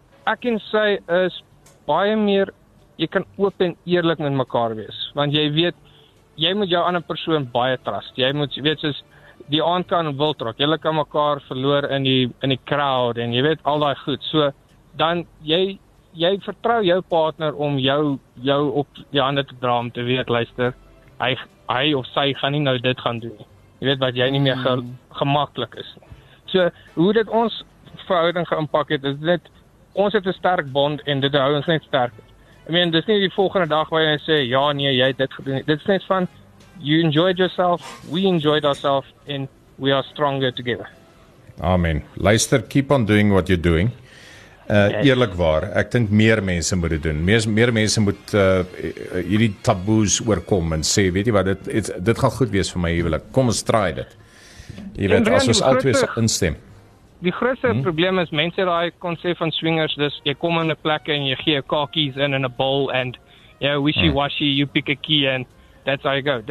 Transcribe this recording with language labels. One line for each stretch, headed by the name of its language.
Afrikaans: Ek en sy is baie meer, jy kan oop en eerlik met mekaar wees, want jy weet, jy moet jou ander persoon baie trust, jy moet, weet, soos die aand kan wildrok, jylle kan mekaar verloor in die crowd, en jy weet, al die goed, so, dan, jy vertrou jou partner om jou op die ander te dra, om te weet, luister, hy of sy gaan nie nou dit gaan doen, jy weet, wat jy nie meer gemakkelijk is. So, hoe dit ons verhouding geimpak het, is dit, ons het 'n sterk bond en dit hou ons net sterk. I mean, dis nie die volgende dag waar jy sê, ja, nee, jy het dit gedoen. Dit is net van,
English: you enjoyed yourself, we enjoyed ourselves, and we are stronger together. Amen.
Afrikaans: Luister,
English: keep on doing what you're doing.
Afrikaans: Eerlikwaar, ek dink meer mense moet dit doen. Meer mense moet hierdie taboes oorkom en sê, weet jy wat, dit gaan goed wees vir my huwelik. Kom, ons try dit. Jy weet, as ons al twee instem. Die grootste probleem is, mense daai konsep van swingers, dis, jy kom in 'n plek en jy gee kakies
English: in a bowl, and, you know, wishy-washy, you pick a key, and that's how you go.